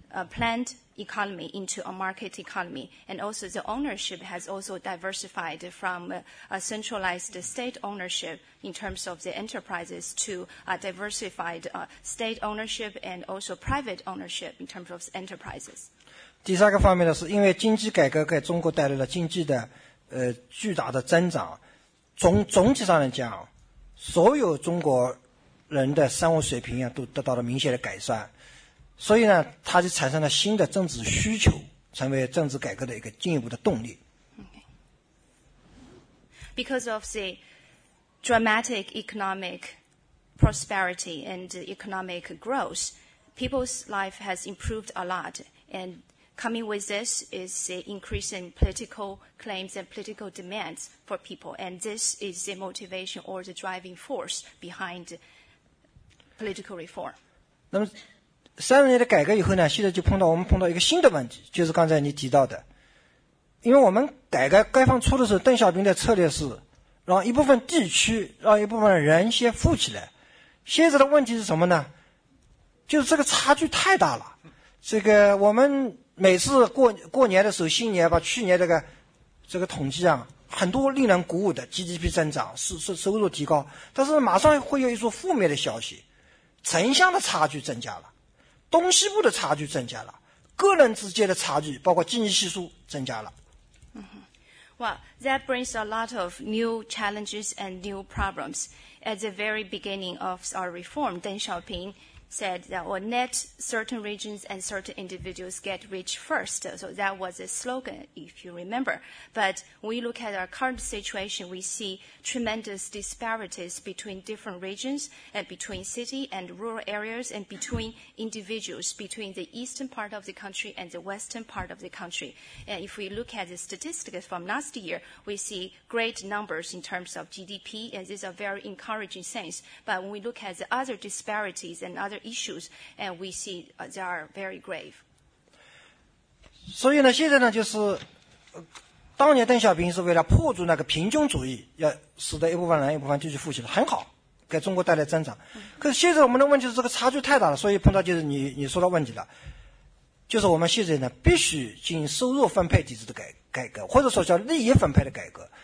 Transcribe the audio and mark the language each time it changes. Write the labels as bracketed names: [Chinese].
[English] planned economy into a market economy. And also the ownership has also diversified from a centralized state ownership in terms of the enterprises to diversified state ownership and also private ownership in terms of enterprises. [Chinese] 第三个方面呢，是因为经济改革给中国带来了经济的巨大的增长。总体上来讲，所有中国人的生活水平啊都得到了明显的改善，所以呢，它就产生了新的政治需求，成为政治改革的一个进一步的动力。 [English] Okay. Because of the dramatic economic prosperity and economic growth, people's life has improved a lot, and coming with this is the increase in political claims and political demands for people, and this is the motivation or the driving force behind political reform. [Chinese] 那么三十年的改革以后呢，现在就碰到一个新的问题，就是刚才你提到的，因为我们改革开放初的时候，邓小平的策略是让一部分地区，让一部分人先富起来。现在的问题是什么呢？就是这个差距太大了。这个我们每次过年的时候，新年吧，去年这个统计啊，很多令人鼓舞的 GDP 增长，收入提高，但是马上会有一组负面的消息，城乡的差距增加了，东西部的差距增加了，个人之间的差距，包括经济系数增加了。 [English] Well, that brings a lot of new challenges and new problems. At the very beginning of our reform, Deng Xiaoping. Said that will net certain regions and certain individuals get rich first. So that was a slogan, if you remember. But we look at our current situation, we see tremendous disparities between different regions and between city and rural areas and between individuals, between the eastern part of the country and the western part of the country. And if we look at the statistics from last year, we see great numbers in terms of GDP, and these are very encouraging things. But when we look at the other disparities and other issues, and we see they are very grave. [Chinese] 所以呢，现在呢，就是当年邓小平是为了破除那个贫穷主义，要使得一部分人、一部分地区富起来，很好，给中国带来增长。可是现在我们的问题是这个差距太大了，所以碰到就是你说的问题了，就是我们现在呢，必须进行收入分配机制的改革，或者说叫利益分配的改革。